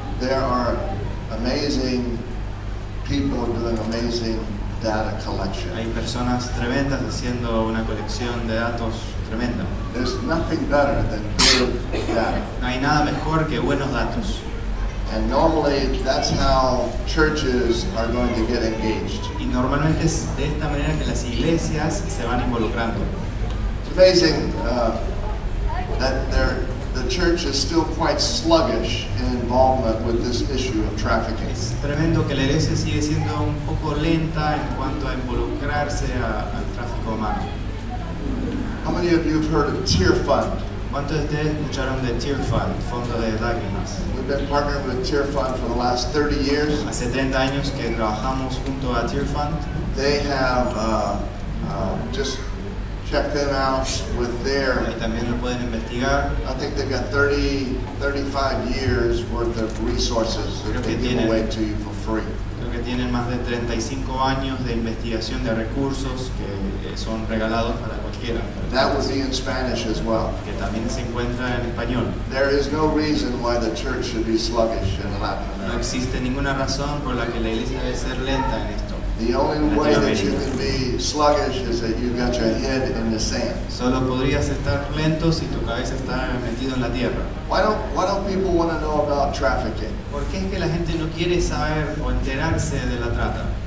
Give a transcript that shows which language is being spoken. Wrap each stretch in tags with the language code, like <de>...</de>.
<en>there are amazing people doing amazing data collection.</en> <es>Hay personas tremendas haciendo una colección de datos tremenda.</es> <en>There's nothing better than good data.</en> <es>No hay nada mejor que buenos datos.</es> <en>And normally that's how churches are going to get engaged.</en> <es>Y normalmente es de esta manera que las iglesias se van involucrando.</es> <en>It's amazing that the church is still quite sluggish in involvement with this issue of trafficking.</en> <es>Es tremendo que la iglesia sigue siendo un poco lenta en cuanto a involucrarse al tráfico humano.</es> <en>How many of you have heard of Tear Fund?</en> <es>¿Cuántos de ustedes escucharon de Tear Fund, Fondo de Lágrimas?</es> <en>We've been partnered with Tear Fund for the last 30 years.</en> <es>Hace 30 años que trabajamos junto a Tear Fund.</es> <en>They have just checked them out with their...</en> <es>Y también lo pueden investigar.</es> <en>I think they've got 30, 35 years worth of resources that they give away to you for free.</en> <es>Creo que tienen más de 35 años de investigación de recursos que son regalados para cualquiera.</es> <en>That would be in Spanish as well.</en> <es>Que también se encuentra en español.</es> <en>There is no reason why the church should be sluggish in Latin America.</en> <es>No existe ninguna razón por la que la iglesia debe ser lenta en esto.</es> <en>The only way that you can be sluggish is that you've got your head in the sand.</en> <es>Solo podrías estar lento si tu cabeza está metido en la tierra.</es> <en>Why don't people want to know about trafficking?</en> <es>¿Por qué es que la gente no quiere saber o enterarse de la trata?</es>